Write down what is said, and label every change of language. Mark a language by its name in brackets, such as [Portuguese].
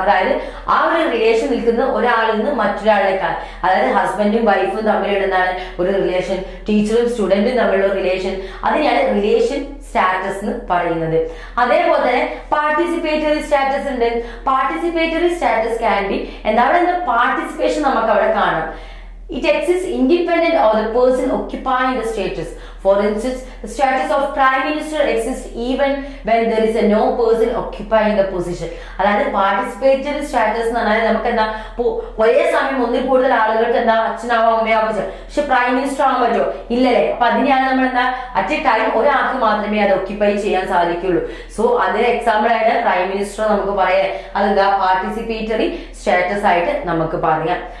[Malayalam] അതായത് ആ ഒരു റിലേഷൻ നിൽക്കുന്ന ഒരാളിൽ നിന്ന് മറ്റൊരാളേക്കാൾ, അതായത് ഹസ്ബൻഡും വൈഫും തമ്മിലിടുന്നതാണ് ഒരു റിലേഷൻ, ടീച്ചറും സ്റ്റുഡന്റും തമ്മിലുള്ള റിലേഷൻ, അതിനാണ് റിലേഷൻ സ്റ്റാറ്റസ് എന്ന് പറയുന്നത്. അതേപോലെ തന്നെ പാർട്ടിസിപ്പേറ്ററി സ്റ്റാറ്റസ് ഉണ്ട്. പാർട്ടിസിപ്പേറ്ററി സ്റ്റാറ്റസ് ക്യാൻ ബി എന്താ അവിടെ എന്താ പാർട്ടിസിപ്പേഷൻ നമുക്ക് അവിടെ കാണാം. [English] It exists independent of the person occupying the status. For instance, the status of Prime Minister exists even when there is no person occupying the position. [Malayalam] അതായത് participatory status എന്ന് പറഞ്ഞാൽ നമുക്ക് എന്താ ഒരേ സമയം ഒന്നിൽ കൂടുതൽ ആളുകൾക്ക് എന്താ അച്ഛനാവോ അമ്മയാവോ പറ്റും, പക്ഷെ പ്രൈം മിനിസ്റ്റർ ആവാൻ പറ്റുമോ, ഇല്ലല്ലേ. അപ്പൊ അതിനെയാണ് നമ്മൾ എന്താ അറ്റ് എ ടൈം ഒരാൾക്ക് മാത്രമേ അത് ഒക്യുപ്പൈ ചെയ്യാൻ സാധിക്കുള്ളൂ. സോ അതിന് എക്സാമ്പിളായിട്ട് പ്രൈം മിനിസ്റ്റർ നമുക്ക് പറയാം, അതെന്താ പാർട്ടിസിപ്പേറ്ററി സ്റ്റാറ്റസ് ആയിട്ട് നമുക്ക് പറയാം.